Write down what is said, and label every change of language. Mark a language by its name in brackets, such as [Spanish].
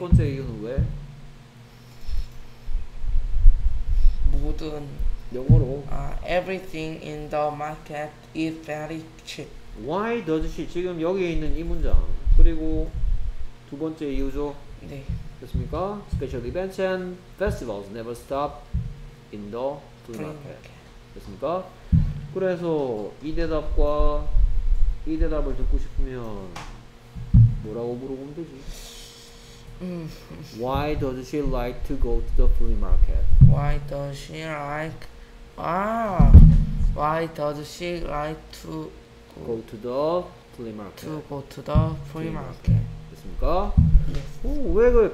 [Korean] 번째 이유는 왜? 모든 영어로 [English] everything in the market is very cheap. Why does she? [Korean] 지금 여기에 있는 이 문장 그리고 두 번째 이유죠? 네. 됐습니까? [English] Special events and festivals never stop in the flea market. [Korean] 됐습니까? 그래서 이 대답과 이 대답을 듣고 싶으면 뭐라고 물어보면 되지? [English] Why does she like to go to the flea market? Why does she like... Why does she like to... Go to the flea market. To go to the flea market. [Korean] 됐습니까? [English] Yes. [Korean] Oh, 왜 그래?